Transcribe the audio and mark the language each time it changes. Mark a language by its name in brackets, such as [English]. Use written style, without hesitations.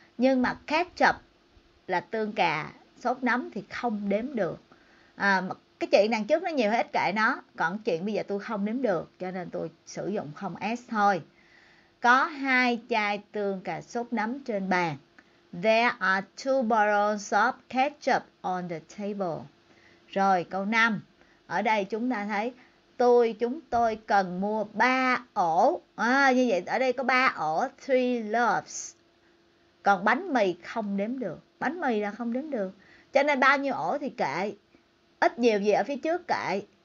[Vietnamese] Nhưng mà ketchup là tương cà, sốt nấm thì không đếm được. À, cái chuyện đằng trước nó nhiều hết kệ nó. Còn chuyện bây giờ tôi không đếm được. Cho nên tôi sử dụng không S thôi. Có hai chai tương cà sốt nấm trên bàn. [English] There are two bottles of ketchup on the table. [Vietnamese] Rồi câu 5. Ở đây chúng ta thấy chúng tôi cần mua 3 ổ. À, như vậy ở đây có 3 ổ, 3 loaves. Còn bánh mì không đếm được. Bánh mì là không đếm được. Cho nên bao nhiêu ổ thì kệ. Ít nhiều gì ở phía trước kệ.